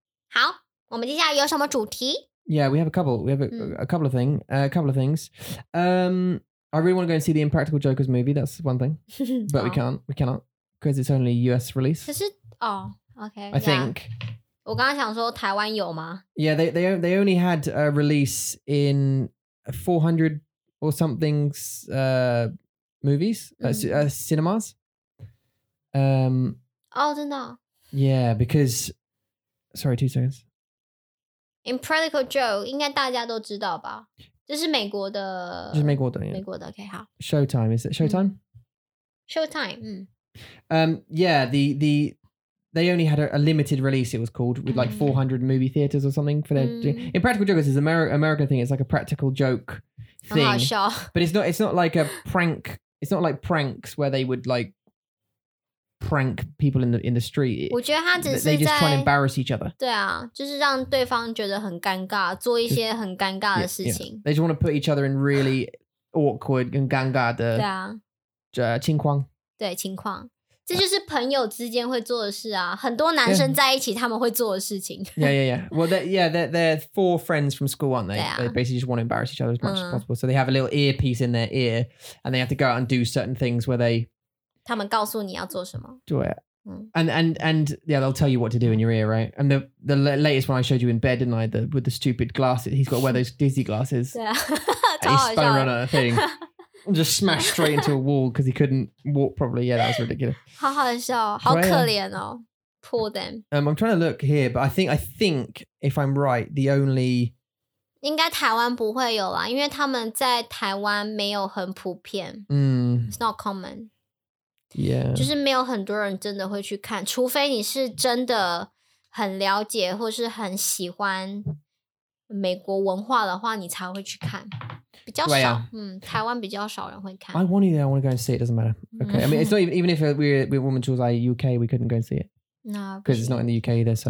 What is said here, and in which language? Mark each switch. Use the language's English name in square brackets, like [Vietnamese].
[Chinese] 好，我们接下来有什么主题？ [English] Yeah, we have a couple. We have a couple of things. I really want to go and see the Impractical Jokers movie. That's one thing. But we cannot because it's only US release. [Chinese] 可是, [English] oh, okay. I think. [Chinese] 我刚刚想说台湾有吗？ [English] Yeah, they only had a release in 400 or something's movies, cinemas. [Chinese] Oh, 真的哦? [English] Yeah, because... Sorry, 2 seconds. [Chinese] Impractical Joke, 应该大家都知道吧?这是美国的... 这是美国的, yeah. 美国的, okay, 好。 [English] Showtime, is it Showtime? Showtime, Yeah, they only had a limited release, it was called, with like 400 movie theaters or something for their... Impractical Jokers is an American thing, it's like a practical joke thing. [Chinese] 很好笑。 [English] But it's not like a prank... It's not like pranks where they would like prank people in the street. [Chinese] 我觉得他只是 [English] they just try and embarrass each other. [Chinese] 对啊，就是让对方觉得很尴尬，做一些很尴尬的事情。 [English] They just want to put each other in really awkward and [Chinese] 尴尬的对啊，情况。对情况，这就是朋友之间会做的事啊。很多男生在一起他们会做的事情。 [English] Yeah. Well, they're four friends from school, aren't they? Yeah. They basically just want to embarrass each other as much as possible. So they have a little earpiece in their ear and they have to go out and do certain things where they... [Chinese] 他们告诉你要做什么。对。 [English] And they'll tell you what to do in your ear, right? And the latest one I showed you in bed, didn't I? With the stupid glasses. He's got to wear those dizzy glasses. Yeah. And he spun around on a thing. Just smashed straight into a wall because he couldn't walk properly. Yeah, that was ridiculous. [Chinese] 好好笑，好可怜哦。 [English] Poor them. I'm trying to look here, but I think if I'm right, the only [Chinese] 应该台湾不会有啦，因为他们在台湾没有很普遍。 [English] It's not common. Yeah. [Chinese] 就是没有很多人真的会去看，除非你是真的很了解或是很喜欢美国文化的话，你才会去看。比较少 [English] right, [Chinese] Taiwan 比较少人会看 [English] I want you there, I want to go and see it, doesn't matter. Okay, I mean, it's not even if we woman chose like UK, we couldn't go and see it. No, because it's not in the UK either, so